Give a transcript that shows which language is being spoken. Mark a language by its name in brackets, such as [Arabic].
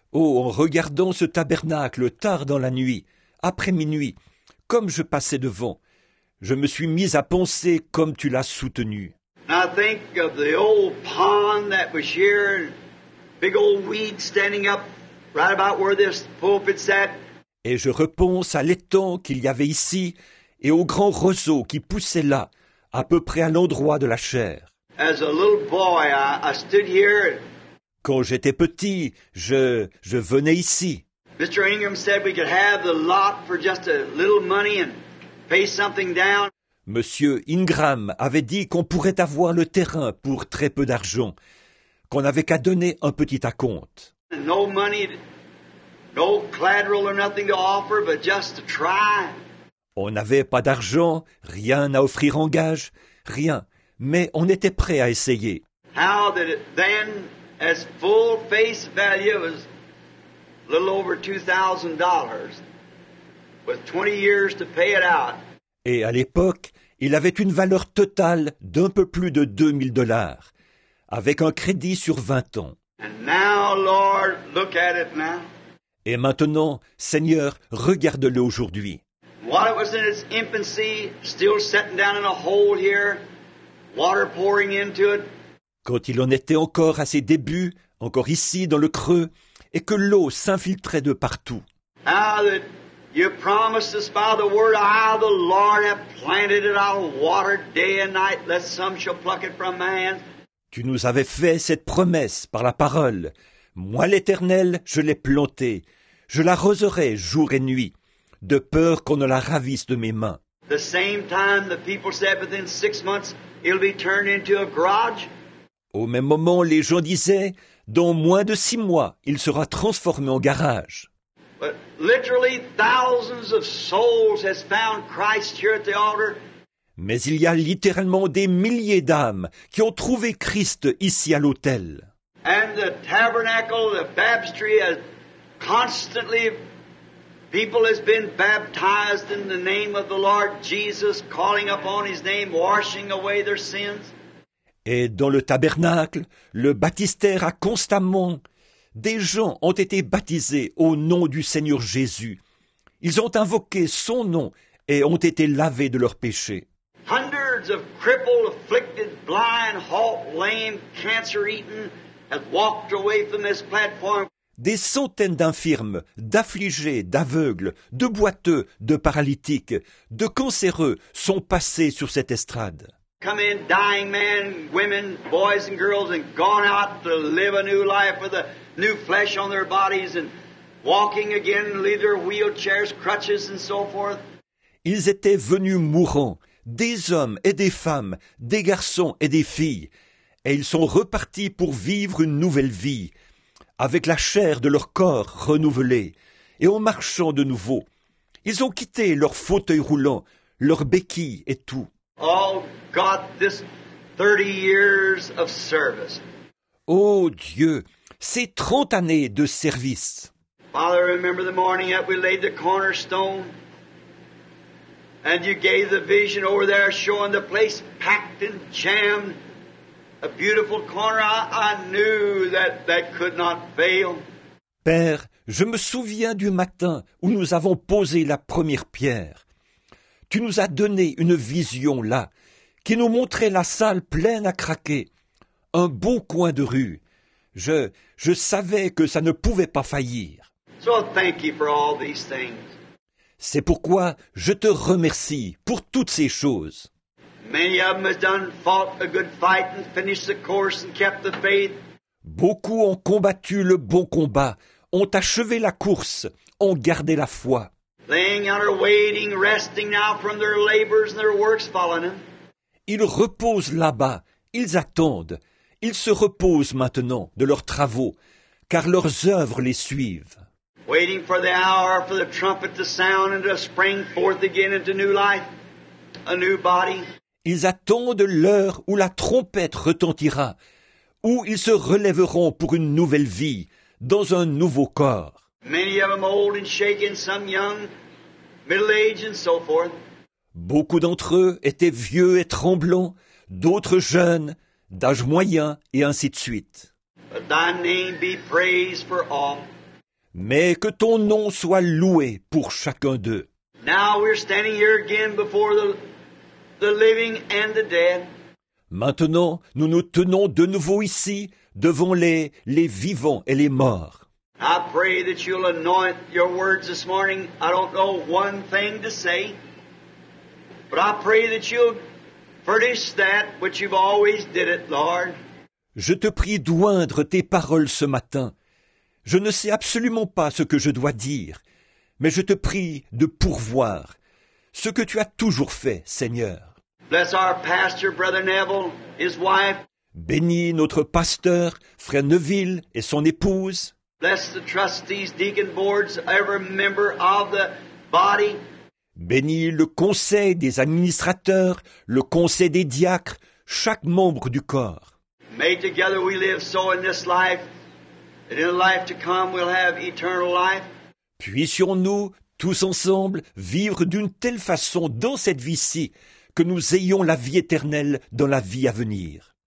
[French] en regardant ce tabernacle tard dans la nuit, après minuit, comme je passais devant. Je me suis mis à penser comme tu l'as soutenu. [English] I think of the old pond that was here, big old weed standing up right about where this pulpit sat. [French] Et je repense à l'étang qu'il y avait ici et au grand roseau qui poussait là, à peu près à l'endroit de la chaire. [English] As a little boy, I stood here. [French] Quand j'étais petit, je venais ici. [English] Mr. Ingram said we could have the lot for just a little money and pay something down. [French] Monsieur Ingram avait dit qu'on pourrait avoir le terrain pour très peu d'argent, qu'on n'avait qu'à donner un petit à-compte. [English] No money, no collateral or nothing to offer, but just to try. [French] On n'avait pas d'argent, rien à offrir en gage, rien, mais on était prêt à essayer. [English] How did it then, as full face value, was a little over $2,000, with 20 years to pay it out. [French] Et à l'époque, il avait une valeur totale d'un peu plus de $2,000, avec un crédit sur 20 ans. [English] And now, Lord, look at it now. [French] Et maintenant, Seigneur, regarde-le aujourd'hui. [English] While it was in its infancy, still sitting down in a hole here, water pouring into it. [French] Quand il en était encore à ses débuts, encore ici dans le creux, et que l'eau s'infiltrait de partout. [English] You promised us by the word, the Lord have planted it, I'll water it day and night, lest some shall pluck it from my hands. [French] Tu nous avais fait cette promesse par la parole. Moi, l'Éternel, je l'ai planté. Je l'arroserai jour et nuit, de peur qu'on ne la ravisse de mes mains. [English] The same time the people said within 6 months it'll be turned into a garage. [French] Au même moment, les gens disaient, dans moins de 6 mois, il sera transformé en garage. [English] But literally thousands of souls has found Christ here at the altar. [French] Mais il y a littéralement des milliers d'âmes qui ont trouvé Christ ici à l'autel. [English] And the tabernacle, the baptistry, constantly people has been baptized in the name of the Lord Jesus, calling upon his name, washing away their sins. [French] Et dans le tabernacle, le baptistère a constamment... Des gens ont été baptisés au nom du Seigneur Jésus. Ils ont invoqué son nom et ont été lavés de leurs péchés. [English] Hundreds of crippled, afflicted, blind, halt, lame, cancer-eaten have walked away from this platform. [French] Des centaines d'infirmes, d'affligés, d'aveugles, de boiteux, de paralytiques, de cancéreux sont passés sur cette estrade. [English] Come in, dying men, women, boys and girls, and gone out to live a new life with a new flesh on their bodies and walking again, leave their wheelchairs, crutches, and so forth. [French] Ils étaient venus mourants, des hommes et des femmes, des garçons et des filles, et ils sont repartis pour vivre une nouvelle vie, avec la chair de leur corps renouvelée, et en marchant de nouveau. Ils ont quitté leur fauteuil roulant, leur béquille et tout. [English] Oh God, this 30 years of service. [French] Oh Dieu, ces 30 années de service. [English] Father, remember the morning that we laid the cornerstone and you gave the vision over there showing the place packed and jammed, a beautiful corner. I knew that could not fail. [French] Père, je me souviens du matin où nous avons posé la première pierre. Tu nous as donné une vision là, qui nous montrait la salle pleine à craquer, un beau coin de rue. Je savais que ça ne pouvait pas faillir. [English] So thank you for all these things. [French] C'est pourquoi je te remercie pour toutes ces choses. [English] Many of them have done, fought a good fight and finished the course and kept the faith. [French] Beaucoup ont combattu le bon combat, ont achevé la course, ont gardé la foi. [English] Laying on her waiting, resting now from their labors and their works following them. [French] Ils reposent là-bas, ils attendent, ils se reposent maintenant de leurs travaux, car leurs œuvres les suivent. [English] Waiting for the hour for the trumpet to sound and to spring forth again into new life, a new body. [French] Ils attendent l'heure où la trompette retentira, où ils se relèveront pour une nouvelle vie, dans un nouveau corps. [English] Many of them old and shaken, some young, middle-aged and so forth. [French] Beaucoup d'entre eux étaient vieux et tremblants, d'autres jeunes, d'âge moyen et ainsi de suite. [English] But thy name be praised for all. [French] Mais que ton nom soit loué pour chacun d'eux. [English] Now we're standing here again before the living and the dead. [French] Maintenant, nous nous tenons de nouveau ici devant les vivants et les morts. [English] I pray that you'll anoint your words this morning. I don't know one thing to say, but I pray that you'll furnish that which you've always did it, Lord. [French] Je te prie d'oindre tes paroles ce matin. Je ne sais absolument pas ce que je dois dire, mais je te prie de pourvoir ce que tu as toujours fait, Seigneur. [English] Bless our pastor, Brother Neville, his wife. [French] Bénis notre pasteur, Frère Neville, et son épouse. [English] Bless the trustees, deacon boards, every member of the body. [French] Bénis le conseil des administrateurs, le conseil des diacres, chaque membre du corps. [English] May together we live so in this life, that in the life to come we'll have eternal life. [French] Puissions-nous, tous ensemble, vivre d'une telle façon dans cette vie-ci, que nous ayons la vie éternelle dans la vie à venir.